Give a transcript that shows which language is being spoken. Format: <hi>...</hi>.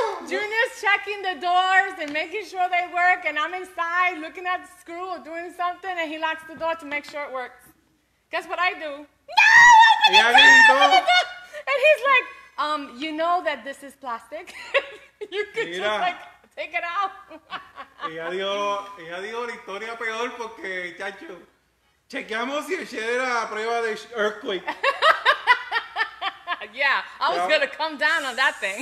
<en>Junior's checking the doors and making sure they work, and I'm inside looking at the screw or doing something, and he locks the door to make sure it works. Guess what I do? No! Open the door! Open the door! And he's like, you know that this is plastic. You could just like take it out.</en> <es>Ella dio la historia peor porque, chacho, chequeamos si el shed era a prueba de earthquake.</es> <en>Yeah, I was gonna come down on that thing.</en>